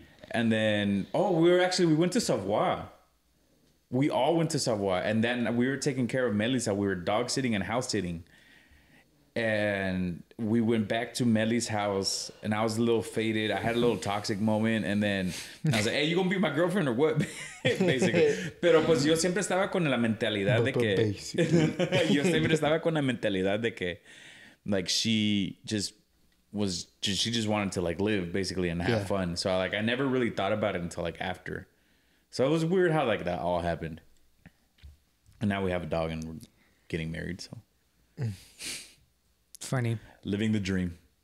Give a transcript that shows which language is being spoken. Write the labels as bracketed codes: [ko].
[en] And then we went to Savoie. We all went to Savoie, and then we were taking care of Melissa. We were dog sitting and house sitting. And we went back to Melly's house, and I was a little faded. I had a little toxic moment, and then I was like, hey, you gonna be my girlfriend or what? Basically. [es] Pero pues yo siempre estaba con la mentalidad de que... yo siempre estaba con la mentalidad de que... [en] Like, she just was... She just wanted to, like, live, basically, and have fun. So, like, I never really thought about it until, like, after. So it was weird how, like, that all happened. And now we have a dog, and we're getting married, so... Funny. Living the dream.